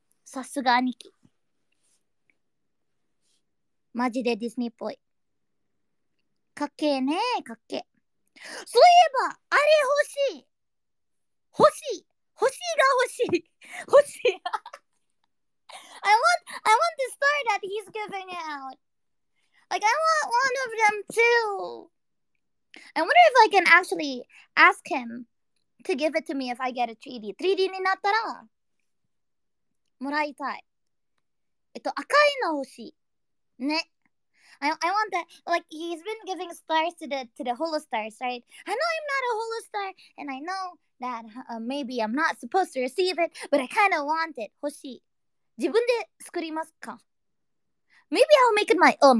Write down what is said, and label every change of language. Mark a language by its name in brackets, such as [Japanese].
[Japanese] さすが兄貴、マジでディズニーっぽい。かけね、かけ。そういえばあれ欲しい、欲しい、欲しいが欲しい、欲しい。 [English] I want the star that he's giving out. Like I want one of them too. I wonder if I can actually ask him to give it to me if I get a 3D. [Japanese] 3D になったらもらいたい。赤いの欲しいね。 [English] I want that. Like he's been giving stars to the Holostars, right? I know I'm not a Holostar, and I know that maybe I'm not supposed to receive it, but I kind of want it. [Japanese] 欲しい。自分で作りますか? [English] Maybe I'll make it my own.